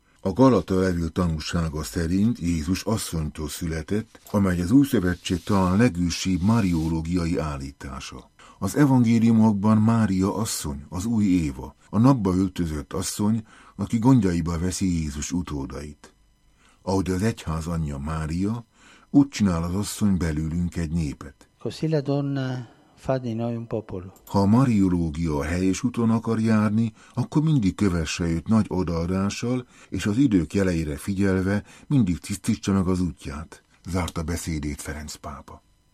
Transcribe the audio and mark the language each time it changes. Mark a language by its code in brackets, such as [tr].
[hu] A Galata levél tanúsága szerint Jézus asszonytól született, amely az új szövetség talán legősibb mariológiai állítása. Az evangéliumokban Mária asszony, az új Éva, a napba öltözött asszony, aki gondjaiba veszi Jézus utódait. Ahogy az egyház anyja Mária, úgy csinál az asszony belőlünk egy népet. [it] Così la donna fa di noi un popolo. [hu] Ha a mariológia a helyes úton akar járni, akkor mindig kövesse őt nagy odaadással, és az idők jeleire figyelve mindig tisztítsa meg az útját, zárta beszédét Ferenc pápa.